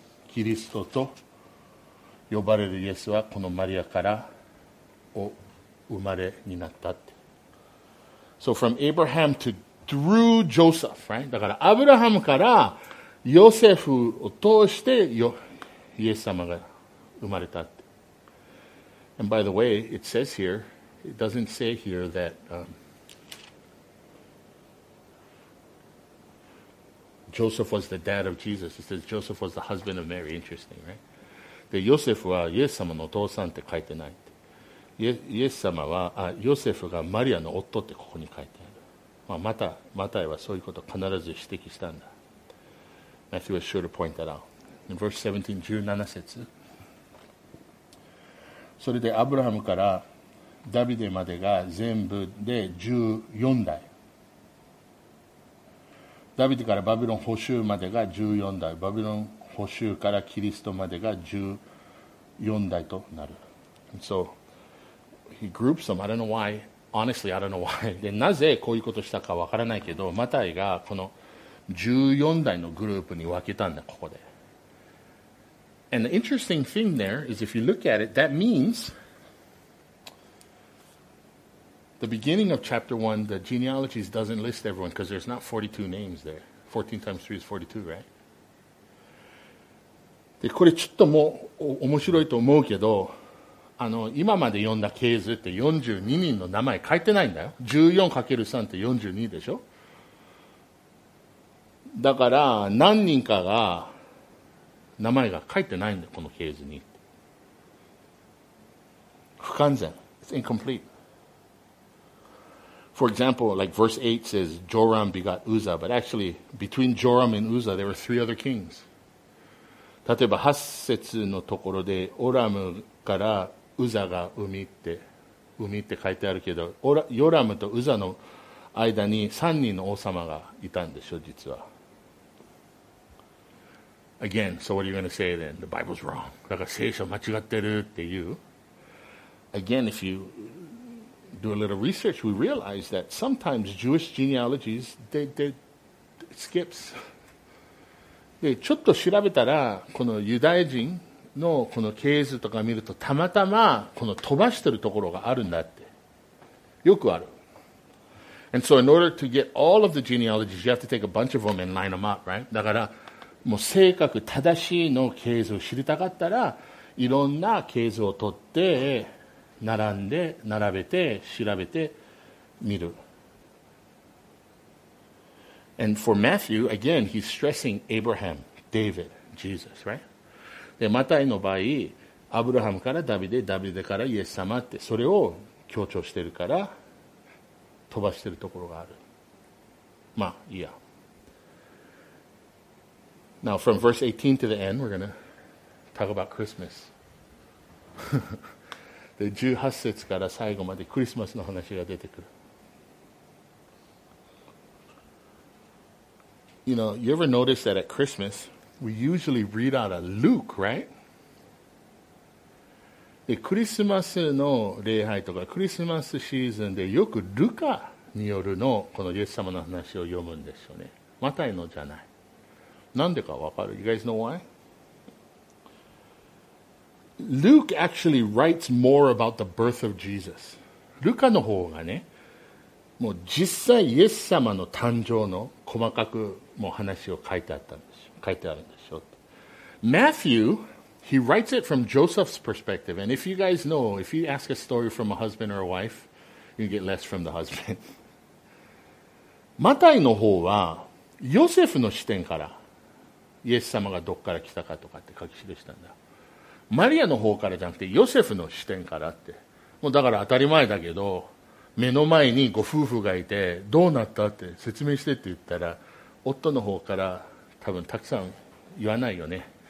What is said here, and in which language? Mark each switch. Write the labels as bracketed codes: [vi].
[ja] キリストと呼ばれるイエスはこのマリアからお生まれになったって。 [en] So from Abraham to through Joseph, right? [ja] だからアブラハムからヨセフを通してイエス様が生まれたって。 [en] And by the way, it says here, it doesn't say here that、Joseph was the dad of Jesus. It says Joseph was the husband of Mary. Interesting, right? [ja] で、ヨセフはイエス様のお父さんって書いてないって。イエス様は、あ、ヨセフがマリアの夫ってここに書いてある。まあ、また、マタイはそういうことを必ず指摘したんだ。 [en] Matthew was sure to point that out. In verse 17, 17節。 [ja] それでアブラハムからダビデまでが全部で14代。ダビデからバビロン捕囚までが14代。バビロン捕囚からキリストまでが14代となる。 [en] And、so, he groups them. I don't know why. Honestly, I don't know why. [ja] で、なぜこういうことしたかわからないけど、マタイがこの14代のグループに分けたんだ、ここで。 [en] And the interesting thing there is if you look at it, that means the beginning of chapter 1, the genealogies doesn't list everyone because there's not 42 names there. 14 times 3 is 42, right? [ja] で、これちょっともう面白いと思うけど、あの、今まで読んだ系図って42人の名前書いてないんだよ。 14×3 って42でしょ？だから何人かが名前が書いてないんだよ、この系図に。不完全。 [en] It's incomplete. For example, like verse 8 says, Joram begot Uzzah, but actually, between Joram and Uzzah, there were three other kings. [ja] 例えば8節のところで、オラムからウザが海って書いてあるけど、ヨラムとウザの間に3人の王様がいたんでしょ、実は。 [en] Again, so what are you going to say then? The Bible's wrong. [ja] だから聖書間違ってるっていう。 [en] Again, if you do a little research, we realize that sometimes Jewish genealogies, they skips. [ja] で、ちょっと調べたら、このユダヤ人のこの系図とか見ると、たまたまこの飛ばしてるところがあるんだって。よくある。 [en] And so in order to get all of the genealogies, you have to take a bunch of them and line them up, right? [ja] だから、もう正確正しいの系図を知りたかったら、いろんな系図を取って、並んで、並べて、調べてみる。 [en] And for Matthew, again, he's stressing Abraham, David, Jesus, right? [ja] で、マタイの場合、アブラハムからダビデ、ダビデからイエス様って、それを強調してるから、飛ばしてるところがある。まあ、いや。 [en] Now, from verse 18 to the end, we're going to talk about Christmas. [ja] で、18節から最後までクリスマスの話が出てくる。 [en] You know, you ever notice that at Christmas, we usually read out of Luke, right? [ja] で、クリスマスの礼拝とかクリスマスシーズンでよくルカによるのこのイエス様の話を読むんですよね。マタイのじゃない。なんでかわかる? [en] You guys know why? Luke actually writes more about the birth of Jesus. [ja] ルカの方がね、もう実際イエス様の誕生の細かくもう話を書いてあるんでしょう。 [en] Matthew, he writes it from Joseph's perspective. And if you guys know, if you ask a story from a husband or a wife, you get less from the husband. [ja] マタイの方はヨセフの視点からイエス様がどこから来たかとかって書き記したんだ。マリアの方からじゃなくてヨセフの視点からって、もうだから当たり前だけど、目の前にご夫婦がいてどうなったって説明してって言ったら、夫の方から多分たくさん言わないよね。